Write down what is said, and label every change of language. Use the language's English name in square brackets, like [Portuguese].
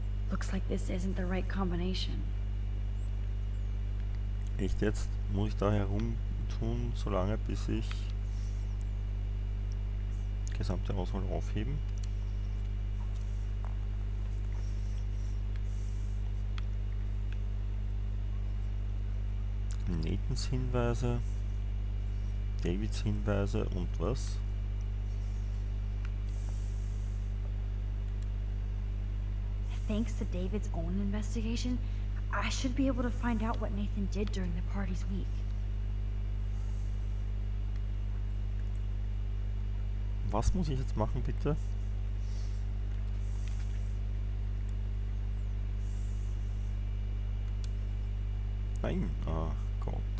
[English] Looks like this isn't the right combination. [German] Echt jetzt? Muss ich da herumtun, so lange, bis ich gesamte Auswahl aufheben? Nathans Hinweise, Davids Hinweise und was? [English] Thanks to David's own investigation, I should be able to find out what Nathan did during the party's week. [German] Was muss ich jetzt machen, bitte? Nein, ach Gott.